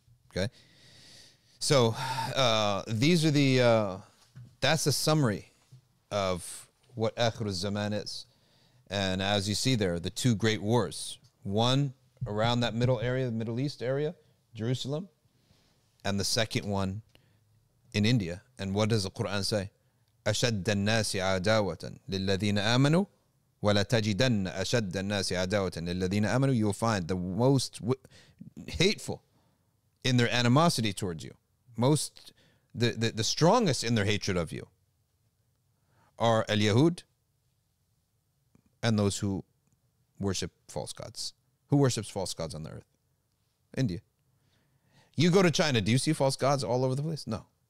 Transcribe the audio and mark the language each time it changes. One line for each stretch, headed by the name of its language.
English: Okay, so these are the that's a summary of what Akhir al-Zaman is, and as you see there, the two great wars. One around that middle area, the Middle East area, Jerusalem, and the second one in India. And what does the Quran say?
Arabic: أشد الناس عداوة للذين آمنوا ولا تجدن أشد الناس عداوة للذين آمنوا.
English: You will find the most hateful in their animosity towards you, most the strongest in their hatred of you are al-Yahud and those who worship false gods. Who worships false gods on the earth? India. You go to China, do you see false gods all over the place? No.